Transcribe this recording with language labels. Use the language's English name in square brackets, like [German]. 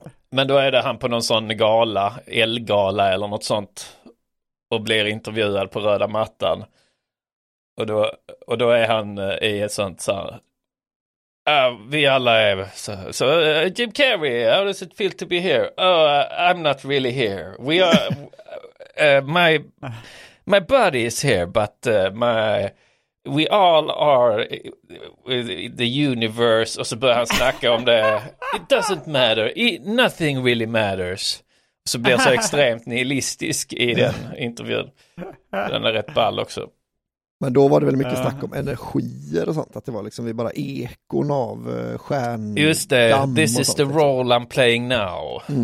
[Swedish] Men då är det han på någon sån gala, elgala eller något sånt, och blir intervjuad på röda mattan. Och då är han i ett sånt så här, vi alla är så Jim Carrey, [English] how does it feel to be here? Oh, I'm not really here. We are my buddy is here, but we all are the universe. [Swedish] Och så börjar han snacka om det. [English] It doesn't matter. Nothing really matters. [Swedish] Så blir så extremt nihilistisk i den intervjun. Den är rätt ball också. Men då var det väl mycket snack om energier och sånt. Att det var liksom vi bara ekon av stjärn. Just det. [English] This is the role I'm playing now.